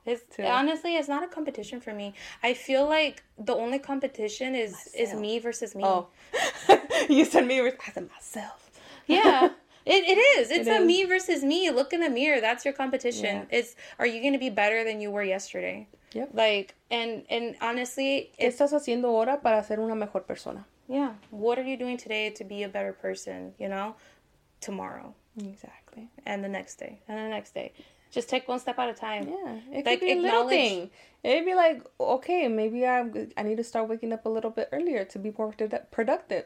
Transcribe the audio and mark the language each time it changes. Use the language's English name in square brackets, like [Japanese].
[English] It's too. Honestly, it's not a competition for me. I feel like the only competition is myself. Is me versus me. Oh. You said me versus myself. Yeah. It is. It's me versus me. Look in the mirror. That's your competition. Yeah. It's, are you going to be better than you were yesterday? Yep. Like, and honestly, [Spanish] ¿qué estás haciendo ahora para ser una mejor persona? [English] Yeah. What are you doing today to be a better person, you know? Tomorrow. Exactly. And the next day. And the next day. Just take one step at a time. Yeah. It could be a little thing. It'd be like, okay, maybe I need to start waking up a little bit earlier to be more productive.